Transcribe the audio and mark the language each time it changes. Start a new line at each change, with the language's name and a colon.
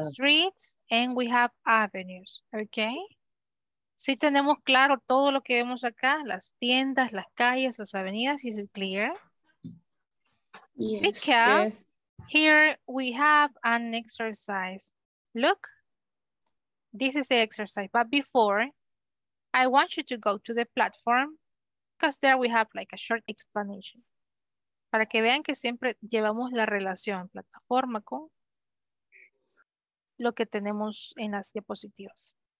English: We have the second avenue, and the third avenue. We have streets and we have avenues. Okay.
Spanish: Sí, tenemos claro todo lo que vemos acá, las tiendas, las calles, las avenidas.
English: Is it clear? Yes. Here we have an exercise. Look, this is the exercise. But before, I want you to go to the platform because there we have like a short explanation.
Spanish: Para que vean que siempre llevamos la relación plataforma con lo que tenemos en las diapositivas.